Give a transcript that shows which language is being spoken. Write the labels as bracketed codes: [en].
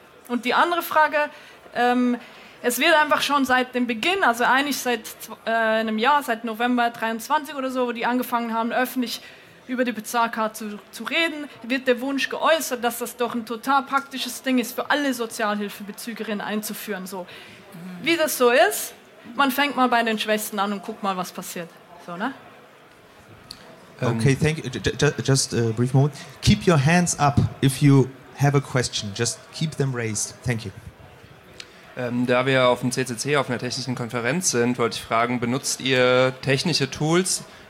[de] Und die andere Frage, es wird einfach schon seit dem Beginn, also eigentlich seit einem Jahr, seit November 23 oder so, wo die angefangen haben, öffentlich über die Bezahlkarte zu reden, wird der Wunsch geäußert, dass das doch ein total praktisches Ding ist, für alle Sozialhilfebezügerinnen einzuführen. So. Wie das so ist, man fängt mal bei den Schwächsten an und guckt mal, was passiert. So, ne? [en] Okay, thank you. Just a brief moment. Keep your hands up if you have a question. Just keep them raised. Thank you. [de] Da wir auf dem CCC, auf einer technischen Konferenz sind, wollte ich fragen, benutzt ihr technische Tools?